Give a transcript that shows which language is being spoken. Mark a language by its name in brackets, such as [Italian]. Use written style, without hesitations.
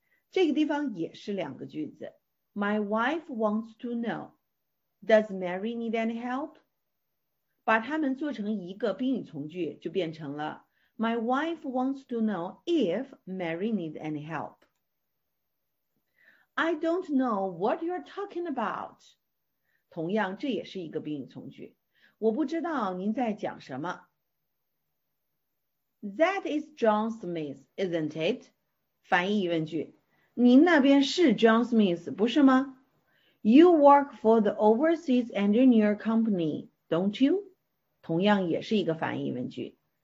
[Chinese] 这个地方也是两个句子。 [English] My wife wants to know, does Mary need any help? [Chinese] 把它们做成一个宾语从句就变成了 [English] My wife wants to know if Mary needs any help. I don't know what you're talking about. [Chinese] 同样这也是一个宾语从句。我不知道您在讲什么。 [English] That is John Smith, isn't it? [Chinese] 翻译疑问句，您那边是 John Smith, 不是吗? [English] You work for the overseas engineer company, don't you? [Chinese] 同样也是一个反义问句。